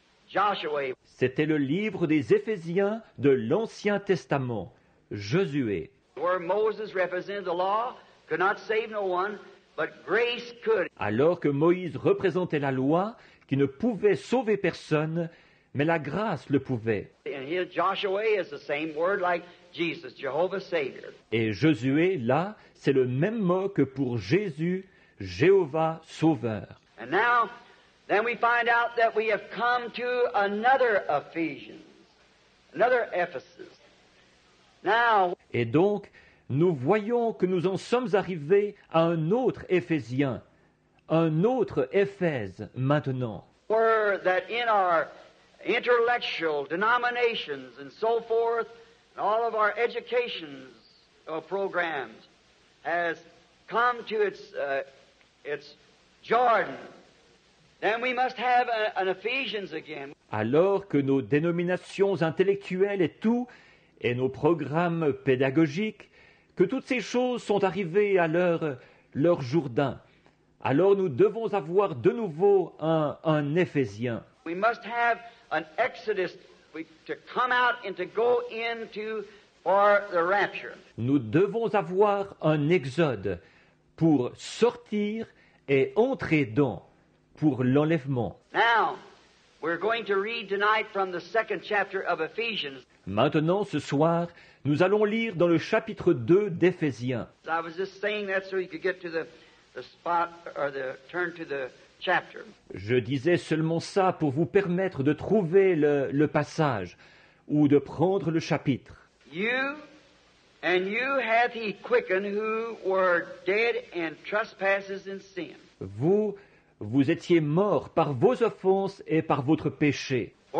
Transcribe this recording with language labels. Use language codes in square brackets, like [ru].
[en] Joshua. [fr] C'était le livre des Éphésiens de l'Ancien Testament, Josué. [en] Where Moses represented the law, could not save no one, but grace could. [fr] Alors que Moïse représentait la loi, qui ne pouvait sauver personne, mais la grâce le pouvait. [en] And here Joshua is the same word like Jesus, Jehovah Savior. [fr] Et Josué, là, c'est le même mot que pour Jésus, Jéhovah Sauveur. [en] And now, then we find out that we have come to another Ephesians, another Ephesus. Now, [fr] et donc, nous voyons que nous en sommes arrivés à un autre Éphésien, un autre Éphèse maintenant. [en] Where that in our intellectual denominations and so forth, and all of our education programs has come to its Jordan. Then we must have an Ephesians again. [fr] Alors que nos dénominations intellectuelles et tout, et nos programmes pédagogiques, que toutes ces choses sont arrivées à leur Jourdain, alors nous devons avoir de nouveau un Éphésien. We must have an exodus to come out and to go into for the rapture. Nous devons avoir un exode pour sortir et entrer dans. Pour l'enlèvement. [en] Now, we're going to read tonight from the second chapter of Ephesians. [fr] Maintenant, ce soir, nous allons lire dans le chapitre 2 d'Éphésiens. [en] So I was just saying that so you could get to the spot or the turn to the chapter. [fr] Je disais seulement ça pour vous permettre de trouver le passage ou de prendre le chapitre. [en] You and you hath he quickened who were dead in trespasses and sin. [fr] Vous étiez morts par vos offenses et par votre péché.